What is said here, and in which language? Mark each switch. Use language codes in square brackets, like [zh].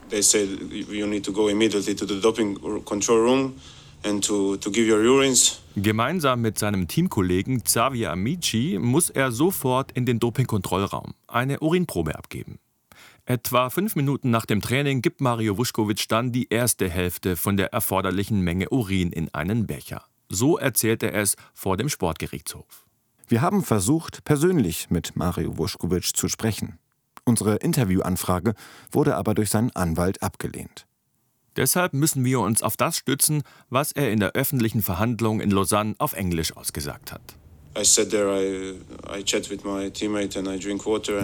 [en] They said you need to go immediately to the doping control room and to give your urines. [de] Gemeinsam mit seinem Teamkollegen Xavier Amici muss er sofort in den Dopingkontrollraum eine Urinprobe abgeben. Etwa 5 Minuten nach dem Training gibt Mario Vuškovic dann die erste Hälfte von der erforderlichen Menge Urin in einen Becher. So erzählt er es vor dem Sportgerichtshof. Wir haben versucht, persönlich mit Mario Vuškovic zu sprechen. Unsere Interviewanfrage wurde aber durch seinen Anwalt abgelehnt. Deshalb müssen wir uns auf das stützen, was er in der öffentlichen Verhandlung in Lausanne auf Englisch ausgesagt hat. [en] I sat there, I chat with my teammate and I drink water.